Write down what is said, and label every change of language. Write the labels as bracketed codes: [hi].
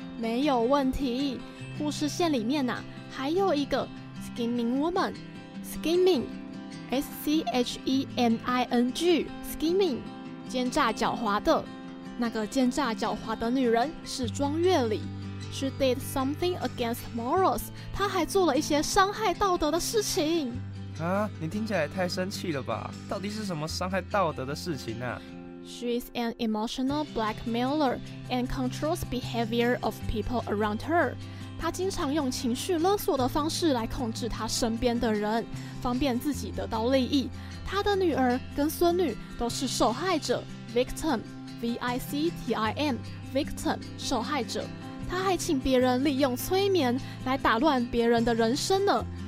[zh] 没有问题。故事线里面呢、还有一个 Skimming Woman， Skimming， S C H E M I N G， Skimming， 奸诈狡猾的。那个奸诈狡猾的女人是庄月里。 [en] She did something against morals， [zh] 她还做了一些伤害道德的事情。啊，你听起来太生气了吧？到底是什么伤害道德的事情呢？ [en] She is an emotional blackmailer and controls behavior of people around her。 [zh] 她经常用情绪勒索的方式来控制她身边的人，方便自己得到利益。她的女儿跟孙女都是受害者 ，victim， V-I-C-T-I-M， victim， 受害者。他还请别人利用催眠来打乱别人的人生呢。